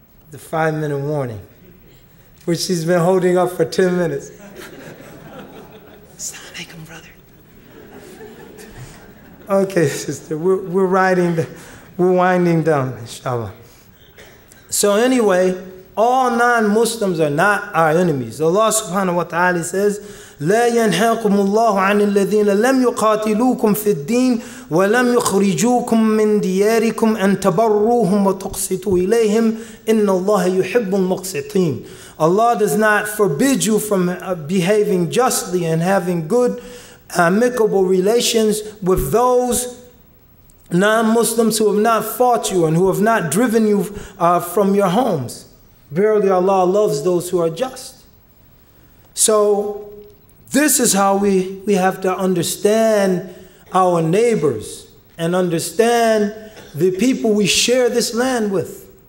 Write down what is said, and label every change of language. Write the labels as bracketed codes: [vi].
[en] The 5-minute warning, which he's been holding up for 10 minutes. Sound like him, brother. Okay, sister, we're winding down, inshallah. So anyway, all non-Muslims are not our enemies. Allah subhanahu wa ta'ala says, [ar] لَا يَنْهَاكُمُ اللَّهُ عَنِ الَّذِينَ لَمْ يُقَاتِلُوكُمْ فِي الدِّينِ وَلَمْ يُخْرِجُوكُمْ مِنْ دِيَارِكُمْ أَنْ تَبَرُّوهُمْ وَتُقْسِطُوا إِلَيْهِمْ إِنَّ اللَّهَ يُحِبُّ الْمُقْسِطِينَ. [en] Allah does not forbid you from behaving justly and having good, amicable relations with those non-Muslims who have not fought you and who have not driven you from your homes. Verily Allah loves those who are just. So this is how we have to understand our neighbors and understand the people we share this land with.